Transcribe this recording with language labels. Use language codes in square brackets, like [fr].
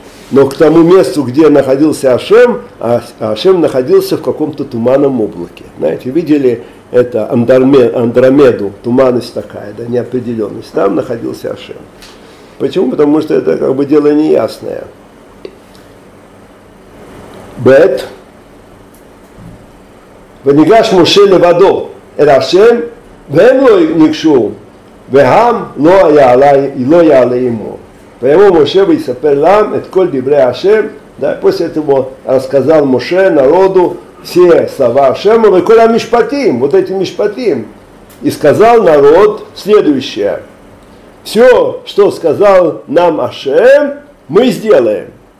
[ru] Но к тому месту, где находился Ашем, Ашем находился в каком-то туманном облаке. Знаете, видели это Андромеду, туманность такая, да, неопределенность. Там находился Ашем. Почему? Потому что это как бы дело неясное. [he] Бет, ונגש משה לבדו אל השם, והם לא ניגשו, והם לא יעלה עמו. ויאמר משה ויספר להם את כל דברי השם, [ru] после этого рассказал Моше народу все слова Ашема [he] וכל המשפטים, [ru] вот эти משפטים, и сказал народ следующее, все, что сказал нам Ашем, мы сделаем.